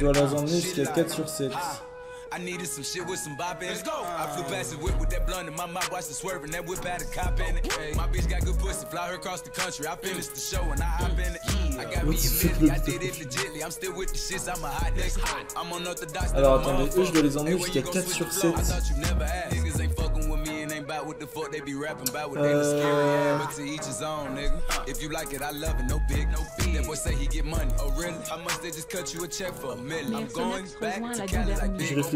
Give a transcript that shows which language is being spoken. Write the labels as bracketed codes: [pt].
[fr] Je dois la 4 sur 7. [en] I needed some shit with some bop in it. I flew past the whip with that blunt in my mouth, watched it swerve and that whip had a cop in it. My bitch got good pussy, fly her across the country. I finished the show and I hop in it. I got me a million, I did it legitly. I'm still with the shits, I'm a hot next hot. I'm on orthodox. [fr] Alors attendez, eux je dois les emmener jusqu'à 4 sur 7. [en] I thought you never asked. Niggas ain't fucking with me and ain't about what the fuck they be rapping about. What they look scary, but to each his own, nigga. If you like it, I love it, no big, no big. That boy say he get money, oh really? How much they just cut you a check for a million? I'm going back to Cali like big.